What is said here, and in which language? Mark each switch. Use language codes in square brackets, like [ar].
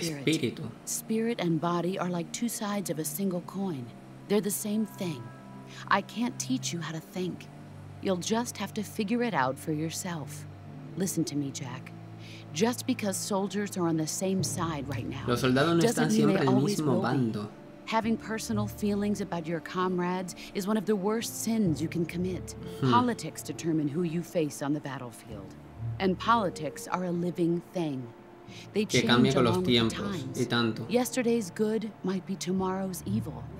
[en] spirit. [es] Espíritu. [en] Spirit and body are like two sides of a single coin. They're the same thing. I can't teach you how to think. You'll just have to figure it out for yourself. Listen to me, Jack. Just because soldiers are on the same side right now [es] los soldados no están siempre en el mismo bando. [en] Having personal feelings about your comrades is one of the worst sins you can commit. Hmm. Politics determine who you face on the battlefield. And politics are a living thing. They change along with the times. Yesterday's good might be tomorrow's evil.